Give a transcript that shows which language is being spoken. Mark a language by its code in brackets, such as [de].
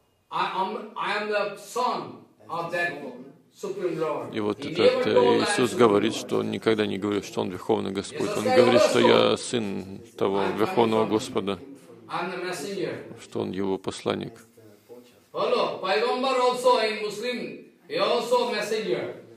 [en] I am the son of that supreme Lord. [ru] И вот этот Иисус говорит, что он никогда не говорит, что он верховный Господь. Он говорит, что я сын того верховного Господа. [en] I'm the messenger. [ru] Что он его посланник. [en] Hello, Paigambar also in Muslim, he also messenger.